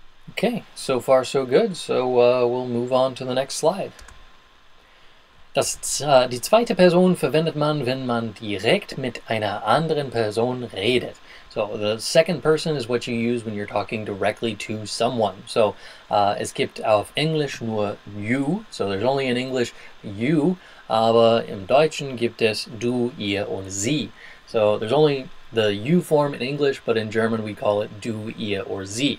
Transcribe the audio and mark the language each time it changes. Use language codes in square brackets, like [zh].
[en] Okay, so far so good. So we'll move on to the next slide. [de] Das, die zweite Person verwendet man, wenn man direkt mit einer anderen Person redet. [en] So the second person is what you use when you're talking directly to someone. [de] So es gibt auf Englisch nur you, [en] so there's only in English you, [de] aber im Deutschen gibt es du, ihr und sie. [en] So there's only the you form in English, but in German we call it du, ihr or sie.